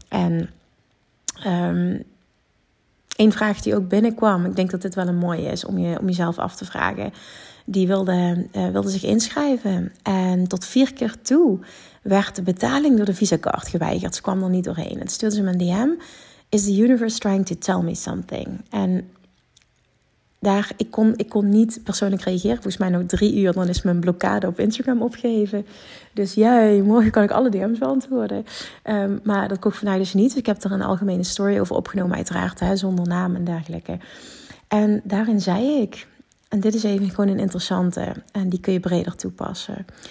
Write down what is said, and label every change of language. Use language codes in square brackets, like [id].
[nl] En één vraag die ook binnenkwam, ik denk dat dit wel een mooie is om jezelf af te vragen. Die wilde zich inschrijven. En tot 4 keer toe werd de betaling door de visa-kaart geweigerd. Ze kwam er niet doorheen. En stuurde ze me een DM. [en] Is the universe trying to tell me something? [nl] En daar, ik kon niet persoonlijk reageren. Volgens mij nog 3 uur, dan is mijn blokkade op Instagram opgegeven. Dus jij, morgen kan ik alle DM's beantwoorden. Maar dat kon ik vandaag dus niet. Dus ik heb er een algemene story over opgenomen, uiteraard. Hè, zonder naam en dergelijke. En daarin zei ik, en dit is even gewoon een interessante, en die kun je breder toepassen.